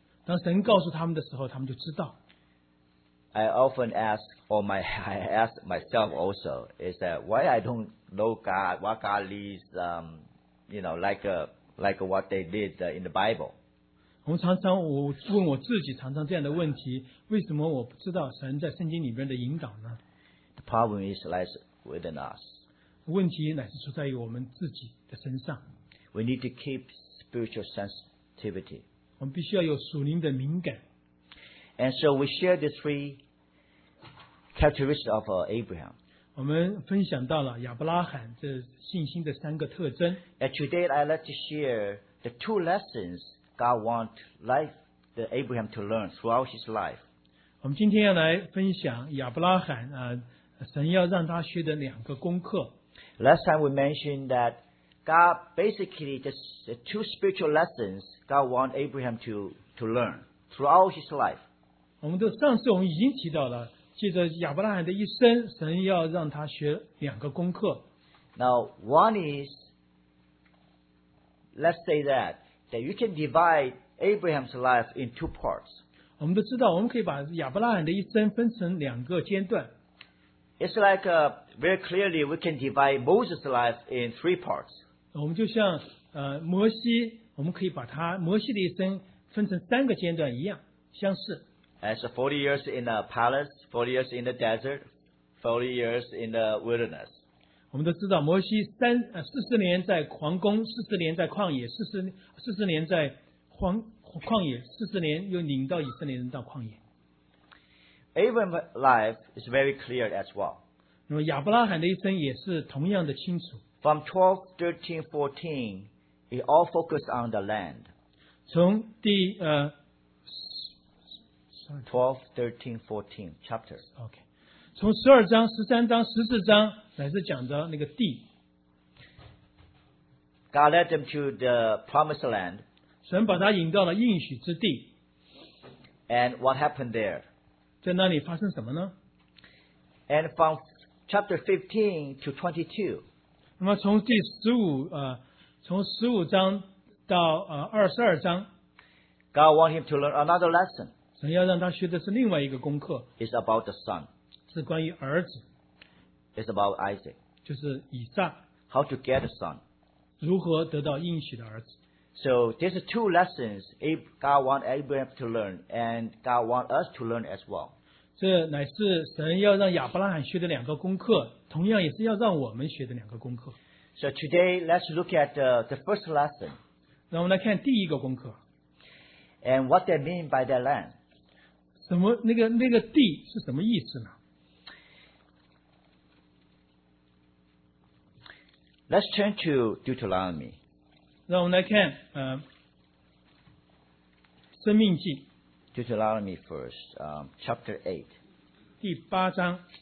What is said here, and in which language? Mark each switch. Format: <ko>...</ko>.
<zh>当神告诉他们的时候，他们就知道。</zh> <en>I often ask, or my, I ask myself also, is that why I don't know God, what God leads, you know, like what they did in the Bible.</en> <zh>我们常常我问我自己常常这样的问题，为什么我不知道神在圣经里边的引导呢？</zh> <en>The problem is lies within us.</en> <zh>问题乃是出在于我们自己的身上。</zh> <en>We need to keep spiritual sensitivity.</en> <zh>我们必须要有属灵的敏感。</zh> <en>And so we share the three characteristics of Abraham.</en> <zh>我们分享到了亚伯拉罕这信心的三个特征。</zh> <en>And today I'd like to share the two lessons God wants life the Abraham to learn throughout his life.</en> <zh>我们今天要来分享亚伯拉罕啊、神要让他学的两个功课。</zh> <en>Last time we mentioned that God basically the two spiritual lessons God wants Abraham to learn throughout his life.</en> <zh>我们都上次我们已经提到了，借着亚伯拉罕的一生，神要让他学两个功课。</zh> <en>Now one is, let's say that you can divide Abraham's life in two parts.</en> <zh>我们都知道，我们可以把亚伯拉罕的一生分成两个阶段。</zh> <en>It's like very clearly we can divide Moses' life in three parts.</en> <zh>我们就像摩西，我们可以把他摩西的一生分成三个阶段一样，相似。</zh> <en>As 40 years in a palace, 40 years in the desert, 40 years in the wilderness.</en> <zh>我们都知道摩西40年在皇宫40年在旷野 40年在旷野40年又领到以色列人到旷野。</zh> <en>Abraham's life is very clear as well.</en> <zh>那么亚伯拉罕的一生也是同样的清楚。</zh> <en>From 12, 13, 14, it all focused on the land.</en> <zh>从第</zh> <en>12, 13, 14 chapters.</en> <zh>Okay. 从12章、13章、14章乃至讲到那个地。</zh> <en>God led them to the promised land.</en> <zh>神把他引到了应许之地。</zh> <en>And what happened there?</en> <zh>在那里发生什么呢?</zh> <en>And from chapter 15 to 22.</en> <zh>那么从第15,从15章到22章。</zh> <en>God wanted him to learn another lesson.</en> <zh>神要让他学的是另外一个功课。</zh> <en>It's about the son.</en> <zh>是关于儿子。</zh> <en>It's about Isaac.</en> <zh>就是以撒。</zh> <en>How to get a son.</en> <zh>如何得到应许的儿子。</zh> <en>So there's two lessons God wants Abraham to learn and God wants us to learn as well.</en> <zh>这乃是神要让亚伯拉罕学的两个功课，同样也是要让我们学的两个功课。</zh> <en>So today, let's look at the first lesson.</en> <zh>让我们来看第一个功课。</zh> <en>And what they mean by that land.</en> <zh>什么那个地是什么意思呢?</zh> <en>Let's turn to Deuteronomy.</en> <zh>让我们来看生命记</zh> <en>Deuteronomy first, chapter 8.</en> <zh>第八章。</zh>